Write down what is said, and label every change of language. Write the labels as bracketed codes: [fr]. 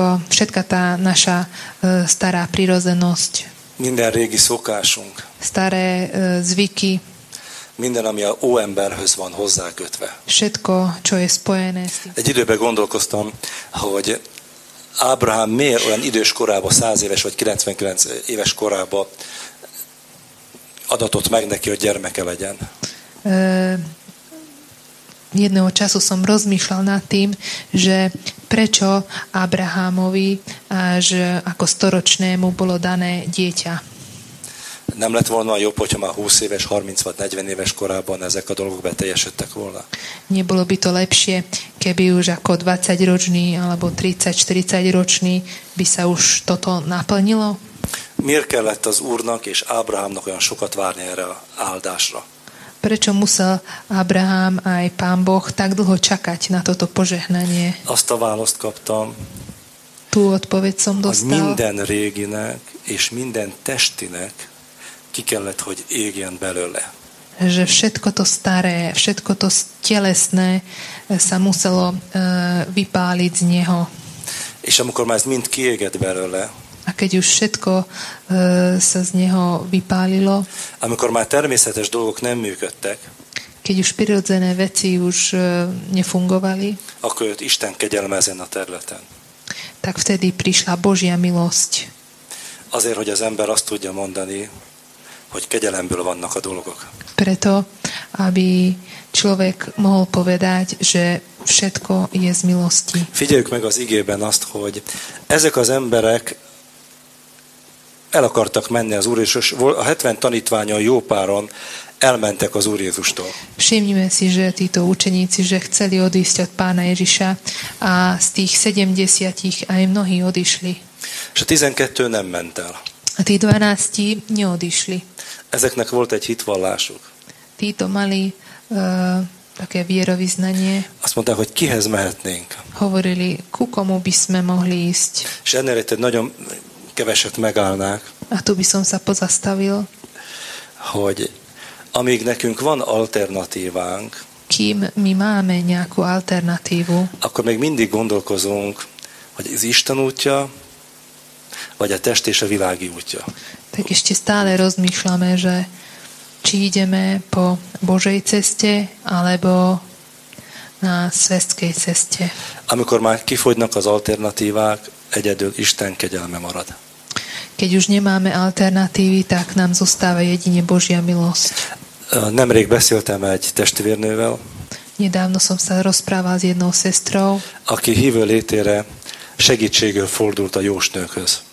[sk] Všetka tá naša stará prirozenosť. [hu] Minden régi szokásunk. [sk] Staré zvyky. [hu] Minden, ami a óemberhöz van hozzákötve. [sk] Všetko, čo je spojené. [hu] Egy időben gondolkoztam, hogy Ábrahám miért olyan idős korában, 100 éves vagy 99 éves korában adatott meg neki, hogy gyermeke legyen. [sk] jedného času som rozmýšľal nad tým, že prečo Abrahamovi až ako storočnému bolo dané dieťa. [hu] Nem lett volna jobb, hogyha már 20 éves, 30 vagy 40 éves korában ezek a dolgok beteljesedtek volna. [sk] Nebolo by to lepšie, keby už ako 20-ročný alebo 30-40-ročný by sa už toto naplnilo? [hu] Miért kellett az Úrnak és Ábrahámnak olyan sokat várni erre áldásra? [sk] Prečo musel Abraham aj Pán Boh tak dlho čakať na toto požehnanie? [hu] Azt a választ kaptam. [sk] Tú odpoveď som dostal. [hu] Minden réginek és minden testinek ki kellett, hogy égjen belőle. [sk] Že všetko to staré, všetko to telesné sa muselo vypáliť z neho. [hu] És amikor már ez mind kiégett belőle, [sk] a keď už všetko sa z neho vypálilo, [hu] amikor már természetes dolgok nem működtek, [sk] keď už prirodzené veci už nefungovali, [hu] akkor jött Isten kegyelme ezen a területen. [sk] Tak vtedy prišla Božia milosť. [hu] Azért, hogy az ember azt tudja mondani, hogy kegyelemből vannak a dolgok. [sk] Preto, aby človek mohol povedať, že všetko je z milosti. [hu] Figyeljük meg az igében azt, hogy ezek az emberek el akartak menni az Úr Jézus, a 70 tanítványon jó páron elmentek az Úr Jézustól. [sk] Všimnime si, že títo učeníci, že chceli odísť od Pána Ježiša a z tých 70 aj mnohí odišli. [hu] És a 12 nem ment el. [sk] A tí 12 neodišli. [hu] Ezeknek volt egy hitvallásuk. [sk] Títo mali také vierovýznanie. [hu] Azt mondták, hogy kihez mehetnénk. [sk] Hovorili, ku komu by sme mohli ísť. [hu] És ennél itt nagyon keveset megállnák. [sk] A tu by som sa pozastavil. [hu] Hogy amíg nekünk van alternatívánk, [sk] kým mi máme nejakú alternatívu, [hu] akkor még mindig gondolkozunk, hogy az Isten útja, vagy a test és a világi útja. [sk] Tak ešte stále rozmýšľame, že či ideme po Božej ceste, alebo na svetskej ceste. [hu] Amikor már kifogynak az alternatívák, egyedül Isten kegyelme marad. [sk] Keď už nemáme alternatívy, tak nám zostáva jedine Božia milosť. [hu] Nemrég beszéltem egy testvérnővel. [sk] Nedávno som sa rozprával s jednou sestrou. [hu] Aki hívő létére segítségül fordult a jósnőkhöz.